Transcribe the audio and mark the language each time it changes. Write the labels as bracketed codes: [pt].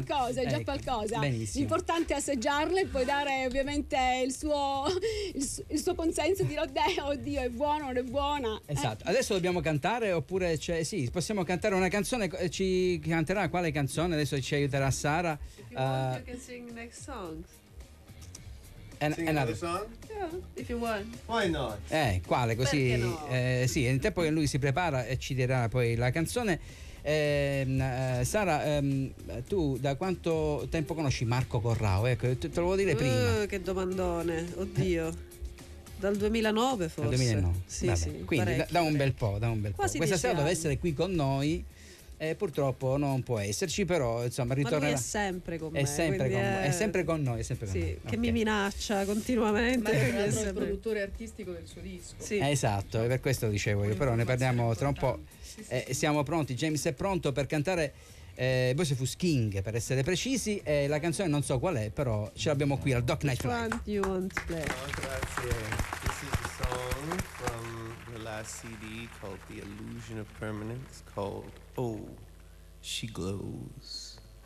[it] È già qualcosa, è già qualcosa. Benissimo. L'importante è assaggiarle e poi dare ovviamente il suo consenso, dire oddio, è buono o non è buona. Esatto. Adesso dobbiamo cantare oppure c'è sì, possiamo cantare una canzone, ci canterà quale canzone adesso, ci aiuterà Sara. [en] If you want, you can sing next song. Another song? Yeah, if you want. Why not? [it] Quale così? Perché no? Sì, nel tempo che lui si prepara e ci dirà poi la canzone. Sara, tu da quanto tempo conosci Marco Corrao? Ecco, te lo vuoi dire prima? Che domandone, oddio. Dal 2009 forse. Dal 2009. Sì, vabbè. Sì. Quindi da un bel po'. Quasi questa sera anni. Deve essere qui con noi. Purtroppo non può esserci, però insomma ritorna. Ma lui è sempre con me. È sempre con noi. Sì, okay. Che mi minaccia continuamente. Ma è un altro produttore artistico del suo disco. Sì. Esatto, e per questo dicevo io. Però ne parliamo tra un po'. Siamo pronti. James è pronto per cantare. Voice of Skink, per essere precisi, e la canzone non so qual è, però ce l'abbiamo qui al Doc Nightlife. [en] Which you want to play? [it] Oh, grazie. [en] This is a song from the last CD called The Illusion of Permanence, called Oh, She Glows.